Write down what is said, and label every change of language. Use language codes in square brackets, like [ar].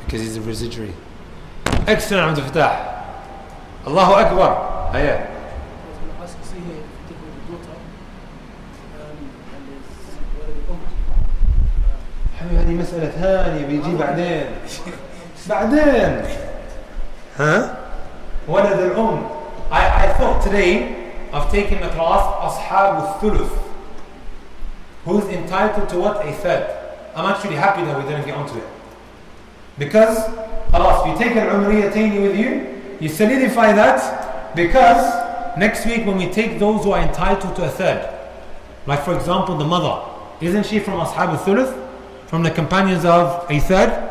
[en] Because he's a residuary. Excellent, Abdul Fatah. Allahu Akbar. Hiya. I was going to ask you, see here, if you take the daughter, [ar] في هذه مسألة ثانية بيجي بعدين بعدين ها؟ ولد الأم. [en] I thought today I've taken the class أصحاب الثلث. Who's entitled to what? A third. I'm actually happy that we didn't get onto it. Because خلاص, you take العمريتين with you, you solidify that, because next week when we take those who are entitled to a third, like for example the mother, isn't she from Ashab al-Thuluth, from the companions of a third?